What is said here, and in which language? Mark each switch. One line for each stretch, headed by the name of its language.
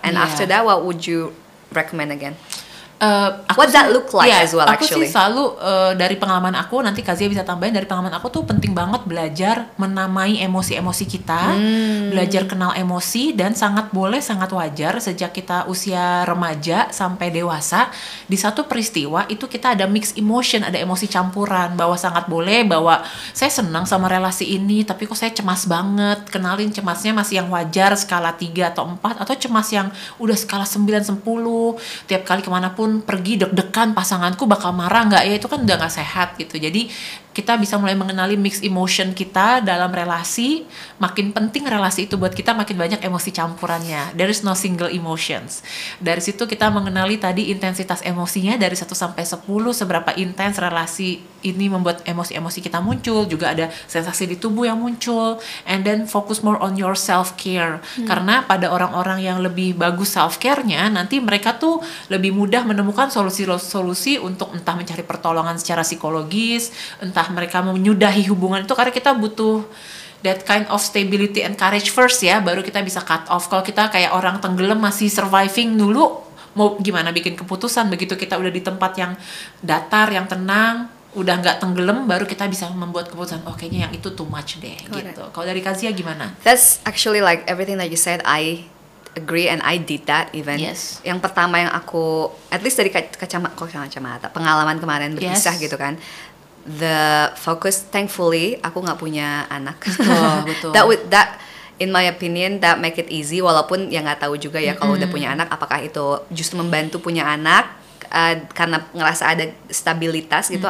English: And after that, what would you recommend again? What that look like as well,
Indonesian: aku
English: actually.
Indonesian: Aku sih selalu dari pengalaman aku, nanti Kazia bisa tambahin, dari pengalaman aku tuh penting banget belajar menamai emosi-emosi kita, belajar kenal emosi, dan sangat boleh, sangat wajar sejak kita usia remaja sampai dewasa, di satu peristiwa itu kita ada mix emotion, ada emosi campuran, bahwa sangat boleh, bahwa saya senang sama relasi ini, tapi kok saya cemas banget, kenalin cemasnya masih yang wajar, skala 3 atau 4, atau cemas yang udah skala 9-10, tiap kali kemana pun pergi deg-degan, pasanganku bakal marah nggak ya, itu kan udah nggak sehat gitu. Jadi kita bisa mulai mengenali mix emotion kita dalam relasi. Makin penting relasi itu buat kita, makin banyak emosi campurannya.
English: There is no single emotions.
Indonesian: Dari situ kita mengenali tadi intensitas emosinya dari 1-10, seberapa intens relasi ini membuat emosi-emosi kita muncul, juga ada sensasi di tubuh yang muncul.
English: And then focus more on your self-care.
Indonesian: Karena pada orang-orang yang lebih bagus self-care-nya, nanti mereka tuh lebih mudah menemukan solusi-solusi untuk entah mencari pertolongan secara psikologis, entah mereka menyudahi hubungan itu, karena kita butuh
English: that kind of stability and courage first
Indonesian: ya, baru kita bisa
English: cut off.
Indonesian: Kalau kita kayak orang tenggelam masih surviving dulu, mau gimana bikin keputusan? Begitu kita udah di tempat yang datar, yang tenang, udah gak tenggelam, baru kita bisa membuat keputusan, oh kayaknya yang itu
English: too much
Indonesian: deh. Okay. Gitu. Kalau dari Kazia gimana?
English: That's actually like everything that you said, I agree and I did that even. Yes.
Indonesian: Yang pertama yang aku,
English: at least
Indonesian: dari kacamata, pengalaman kemarin berpisah gitu kan,
English: the focus, thankfully
Indonesian: aku gak punya anak. Betul.
English: That in my opinion, that make it easy.
Indonesian: Walaupun ya gak tahu juga ya, kalau udah punya anak, apakah itu justru membantu punya anak karena ngerasa ada stabilitas gitu.